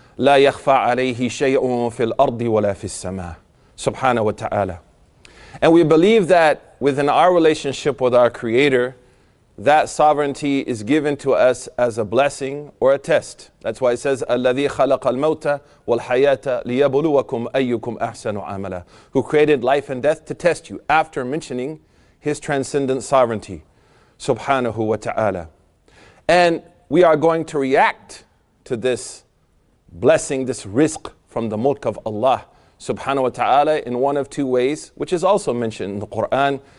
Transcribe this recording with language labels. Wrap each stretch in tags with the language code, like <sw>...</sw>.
<ar>لا يخفى عليه شيء في الأرض ولا في السماء. Subhanahu wa ta'ala.</ar> <en>And we believe that within our relationship with our Creator, that sovereignty is given to us as a blessing or a test. That's why it says,</en> <ar>الذي خلق الموت والحياة ليبلوكم أيكم أحسن عملا.</ar> <en>Who created life and death to test you, after mentioning His transcendent sovereignty. Subhanahu wa ta'ala. And we are going to react to this blessing, this rizq from the mulk of Allah subhanahu wa ta'ala in one of two ways, which is also mentioned in the Quran.</en>